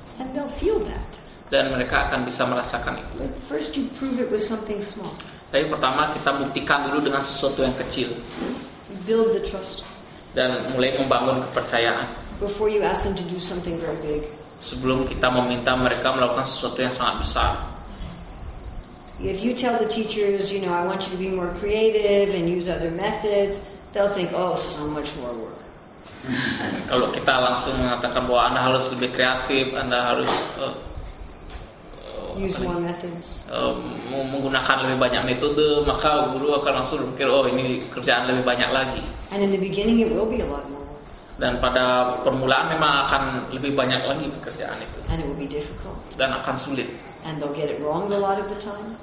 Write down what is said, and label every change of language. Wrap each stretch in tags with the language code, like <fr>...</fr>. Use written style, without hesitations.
<en>And they'll feel that.</en> <id>Dan mereka akan bisa merasakan itu.</id> <en>But first you prove it with something small.</en> <id>Tapi pertama kita buktikan dulu dengan sesuatu yang kecil.</id> <en>Build the trust.</en> <id>Dan mulai membangun kepercayaan.</id> <en>Before you ask them to do something very big.</en> <id>Sebelum kita meminta mereka melakukan sesuatu yang sangat besar.</id> <en>If you tell the teachers, you know, I want you to be more creative and use other methods, they'll think, oh, so much more work.</en> <id>Kalau kita langsung mengatakan bahwa Anda harus lebih kreatif, Anda harus</id> <en>use more methods.</en> <id>Menggunakan lebih banyak metode, maka guru akan langsung berpikir, oh, ini kerjaan lebih banyak lagi.</id> <en>And in the beginning it will be a lot more.</en> <id>Dan pada permulaan memang akan lebih banyak lagi pekerjaan itu.</id> <en>And it will be difficult.</en> <id>Dan akan sulit.</id> <en>And they'll get it wrong a lot of the time.</en>